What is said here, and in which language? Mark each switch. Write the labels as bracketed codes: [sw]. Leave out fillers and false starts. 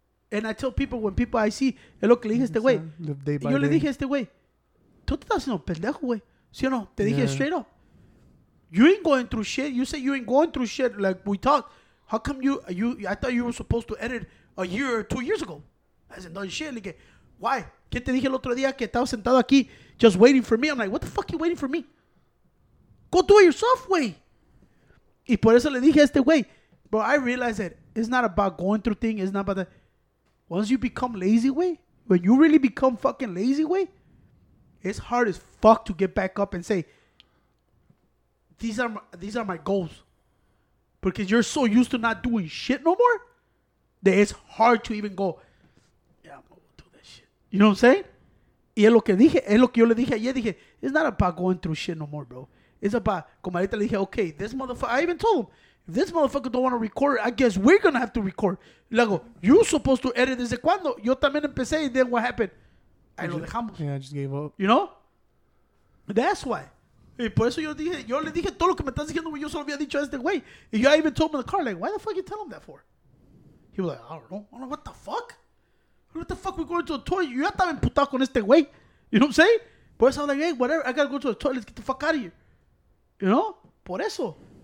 [en] And I tell people, when people I see, hey, look, [es] le dije este güey. [en] Yo le dije este güey. [es] Tú te estás haciendo pendejo, güey. ¿Sí o no? Te dije straight up. [en] You ain't going through shit. You said you ain't going through shit like we talked. How come I thought you were supposed to edit a year or 2 years ago. I said, no, shit. Like, why? [es] ¿Qué te dije el otro día que estaba sentado aquí [en] just waiting for me? I'm like, what the fuck you waiting for me? Go do it yourself, güey. [es] Y por eso le dije este güey. [en] Bro, I realized that it's not about going through things. It's not about that. Once you become lazy, way, when you really become fucking lazy, way, it's hard as fuck to get back up and say, these are my goals. Because you're so used to not doing shit no more that it's hard to even go, yeah, I'm going to do that shit. You know what I'm saying? [es] Y es lo que dije. Es lo que yo le dije ayer. [en] Dije, it's not about going through shit no more, bro. It's about, [es] como ahorita le dije, [en] okay, this motherfucker, I even told him, this motherfucker don't want to record, I guess we're going to have to record. Luego, you're supposed to edit [es] desde cuando. Yo también empecé, [en] and then what happened? I [es] lo dejamos. [en] Yeah, I just gave up. You know? That's why. [es] Y por eso yo le dije todo lo que me estás diciendo, yo solo había dicho a este güey. [en] And I even told him in the car, like, why the fuck you tell him that for? He was like, I don't know. What the fuck? What the fuck we going to the toilet? [es] Yo estaba emputado con este güey. [en] You know what I'm saying? [es] Por eso [en] I was like, hey, whatever. I got to go to the toilet. Let's get the fuck out of here. You know? [es] Por eso.